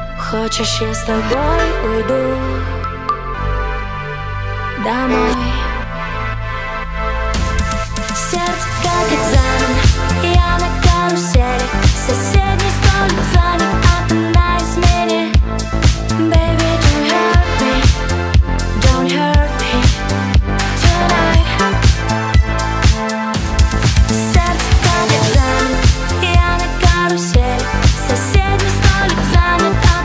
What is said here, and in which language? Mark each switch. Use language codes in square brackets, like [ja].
[ru] Хочешь, я с тобой уйду домой. Сердце как экзамен, я на карусели. Соседний столик занят, а ты на измене. [en] Baby, don't hurt me, don't hurt me tonight. [ru] Сердце как экзамен, я на карусели. Соседний столик занят,